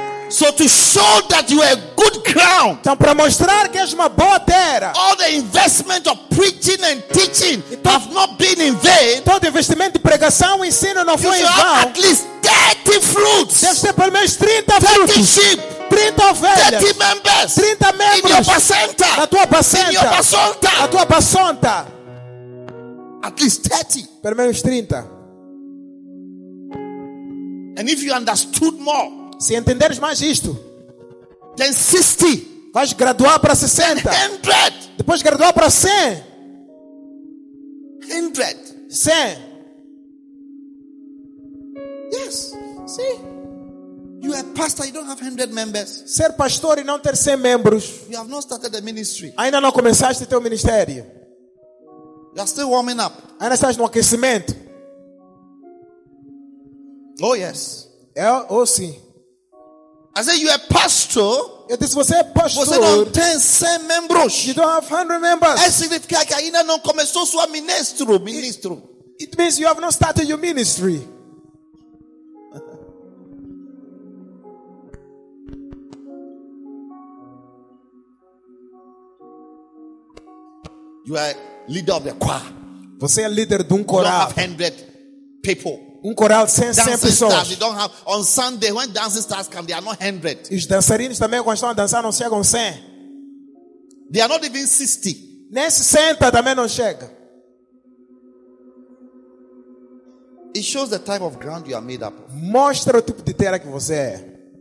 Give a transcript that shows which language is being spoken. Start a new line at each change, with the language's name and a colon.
English: So to show that you are a good ground.
Portuguese: Então, para mostrar que és uma boa terra.
English: All the investment of preaching and teaching have not been in vain.
Portuguese: Todo investimento de pregação e ensino não foi em vão.
English: At least 30 fruits.
Portuguese: Deve ter pelo menos 30 frutos.
English: 30 sheep.
Portuguese: 30 ovelhas.
English: 30 members.
Portuguese: 30 membros.
English: In your bacenta.
Portuguese: Na tua bacenta.
English: In your bacenta.
Portuguese: Na tua bacenta.
English: At least 30.
Portuguese: Pelo menos 30.
English: And if you understood more.
Portuguese: Se entenderes mais isto,
English: then 60,
Portuguese: vais graduar para 60,
English: 100,
Portuguese: depois graduar para 100,
English: 100, 100. Yes, see, you are pastor, you don't have 100 members.
Portuguese: Ser pastor e não ter 100 membros.
English: You have not started the ministry.
Portuguese: Ainda não começaste o teu ministério.
English: You are still warming up.
Portuguese: Ainda estás no aquecimento.
English: Oh yes.
Portuguese: É, oh sim.
English: I said you are pastor.
Portuguese: Eu disse, você é pastor. Você não tem 100 membros.
English: You don't have 100 members.
Portuguese: É significa que ainda não começou sua ministro. Ministro.
English: It means you have not started your ministry. You are leader of the choir.
Portuguese: Você é líder de um coral.
English: You don't have 100 people.
Portuguese: Um coral sem 100 pessoas.
English: Stars, don't have, on Sunday, when dancing stars come, they are not 100.
Portuguese: Os dançarinos também, quando estão a dançar, não chegam 100.
English: They are not even 60.
Portuguese: Nem 60 também não chega.
English: It shows the type of ground you are made up of.
Portuguese: Mostra o tipo de terra que você é.